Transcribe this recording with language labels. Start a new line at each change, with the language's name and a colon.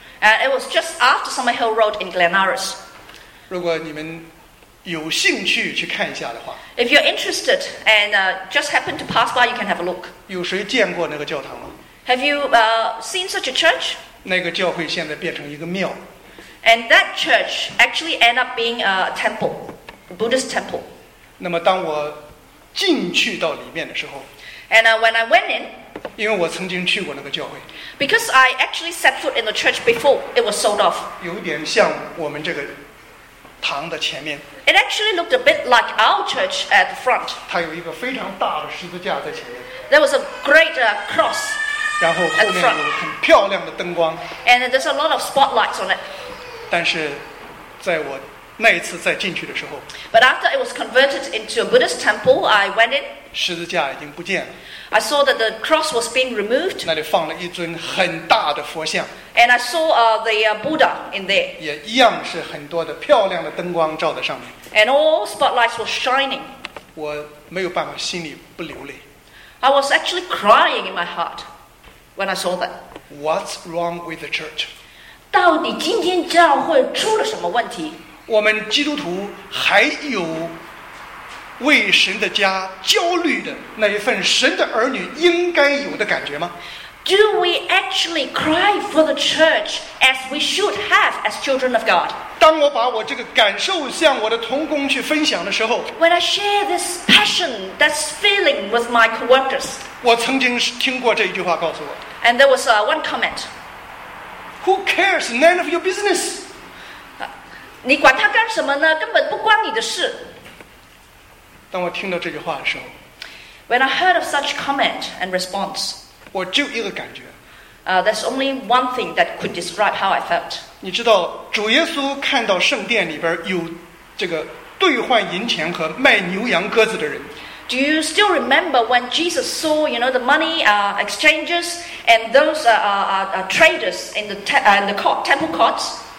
English: And it was just after Summerhill Road in Glen Iris.
Chinese: 如果你们有兴趣去看一下的话
English: ，If you're interested and just happen to pass by, you can have a look.
Chinese: 有谁见过那个教堂吗
English: ？Have you seen such a church?
Chinese: 那个教会现在变成一个庙。
English: And that church actually end up being a temple, a Buddhist temple.
Chinese: 那么当我进去到里面的时候
English: ，And when I went in.
Chinese: 因为我曾经去过那个教会
English: Because I actually set foot in the church before it was sold off
Chinese: 有点像我们这个堂的前面
English: It actually looked a bit like our church at the front
Chinese: 它有一个非常大的十字架在前面
English: There was a great cross
Chinese: 然后后面有很漂亮的灯光
English: And there's a lot of spotlights on it
Chinese: 但是在我那一次再进去的时候
English: But after it was converted into a Buddhist temple I went in
Chinese: 十字架已经不见了
English: I saw that the cross was being removed.
Chinese: 那里放了一尊很大的佛像。
English: And I saw the Buddha in there.
Chinese: 也一样是很多的漂亮的灯光照在上面。
English: And all spotlights were shining.
Chinese: 我没有办法心里不流泪。
English: I was actually crying in my heart when I saw that. What's wrong with the church?
Chinese: 到底今天教会出了什么问题？我们基督徒还有。为神的家焦虑的那一份神的儿女应该有的感觉吗
English: Do we actually cry for the church as we should have as children of God?
Chinese: 当我把我这个感受向我的同工去分享的时候
English: When I share this passion, this feeling with my co-workers
Chinese: 我曾经听过这一句话告诉我
English: And there was one comment Who cares? None of your business
Chinese: 你管他干什么呢根本不关你的事当我听到这句话的时候
English: When I heard of such comment and response,
Chinese: 我只有一个感觉。
English: There's only one thing that could describe how I felt.
Chinese: 你知道，主耶稣看到圣殿里边有这个兑换银钱和卖牛羊鸽子的人。
English: Do you still remember when Jesus saw, you know, the money exchangers and those traders in the temple courts?